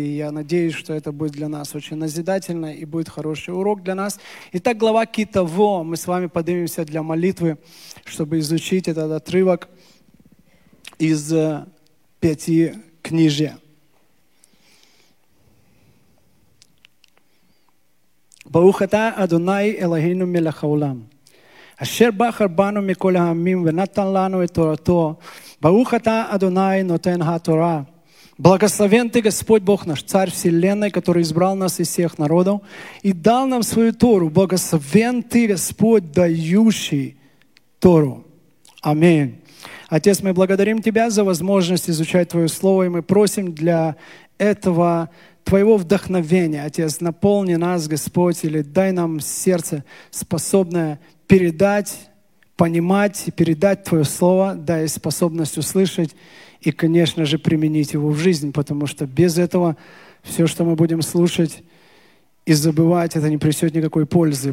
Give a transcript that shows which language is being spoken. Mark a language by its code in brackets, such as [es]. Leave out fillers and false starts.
[ru] И я надеюсь, что это будет для нас очень назидательно и будет хороший урок для нас. Итак, глава Китаво. Мы с вами поднимемся для молитвы, чтобы изучить этот отрывок из Пятикнижия. [he] ברוך אתה, אדוני, אלוהינו מלך העולם, אשר בחר בנו מכל העמים ונתן לנו את תורתו. ברוך אתה, אדוני, נותן התורה. [ru] Благословен ты, Господь Бог наш, Царь Вселенной, который избрал нас из всех народов и дал нам свою Тору. Благословен ты, Господь, дающий Тору. Аминь. Отец, мы благодарим Тебя за возможность изучать Твое Слово, и мы просим для этого Твоего вдохновения, Отец, наполни нас, Господь, или дай нам сердце, способное передать, понимать и передать Твое Слово, дай способность услышать и, конечно же, применить его в жизнь, потому что без этого все, что мы будем слушать и забывать, это не принесет никакой пользы.